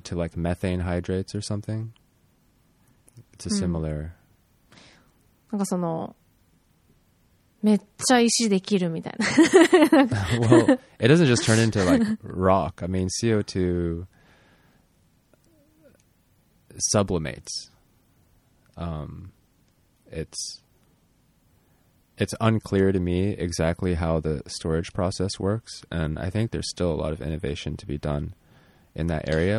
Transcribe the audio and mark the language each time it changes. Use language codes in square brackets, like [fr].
[en] to like methane hydrates or something. It's a similar. [ja] なんかそのめっちゃ石できるみたいな。 [en] Well, it doesn't just turn into like rock. I mean, CO2 sublimates. It's unclear to me exactly how the storage process works, and I think there's still a lot of innovation to be done in that area.